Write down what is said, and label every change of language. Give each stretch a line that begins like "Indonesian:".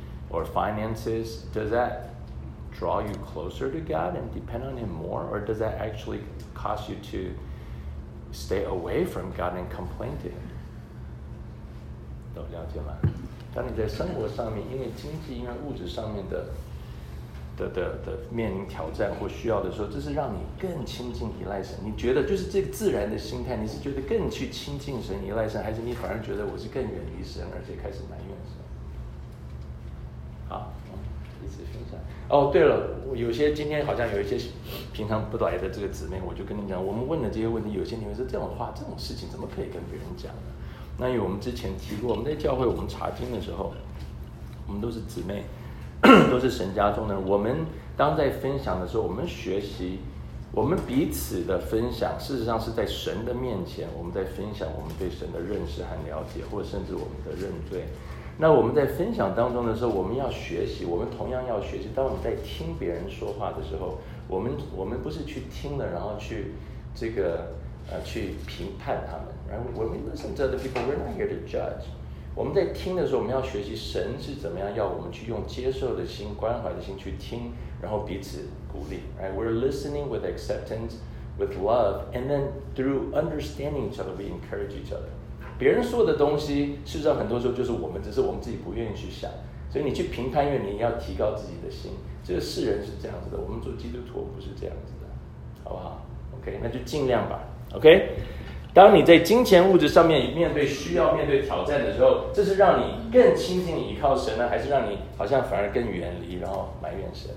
English: Or finances, does that draw you closer to God and depend on Him more? Or does that actually cause you to stay away from God and complain to Him?
Chinese: 都了解吗？当你在生活上面，因为经济、因为物质上面的面临挑战或需要的时候，这是让你更亲近依赖神。你觉得就是这个自然的心态，你是觉得更去亲近神、依赖神，还是你反而觉得我是更远离神，而且开始埋怨神？好，一直分享。哦，对了，有些今天好像有一些平常不来的这个姊妹，我就跟你讲，我们问的这些问题，有些你会说这种话、这种事情怎么可以跟别人讲呢？那因为我们之前提过，我们在教会我们查经的时候，我们都是姊妹，都是神家中的人。我们当在分享的时候，我们学习，我们彼此的分享，事实上是在神的面前，我们在分享我们对神的认识和了解，或甚至我们的认罪。那我们在分享当中的时候，我们要学习，我们同样要学习。当我们在听别人说话的时候，我们不是去听了，然后去这个去评判他们。
English: Right? When we listen to other people, we're not here to judge.
Chinese: 我们在听的时候，我们要学习神是怎么样要我们去用接受的心、关怀的心去听，然后彼此鼓励。
English: Right? We're listening with acceptance, with love, and then through understanding each other, we encourage each other.
Chinese: 别人说的东西，事实上很多时候就是我们，只是我们自己不愿意去想。所以你去评判，因为你要提高自己的心。这个世人是这样子的，我们做基督徒不是这样子的，好不好 ？OK， 那就尽量吧。OK，当你在金钱物质上面面对需要面对挑战的时候，这是让你更亲近依靠神呢，还是让你好像反而更远离然后埋怨神？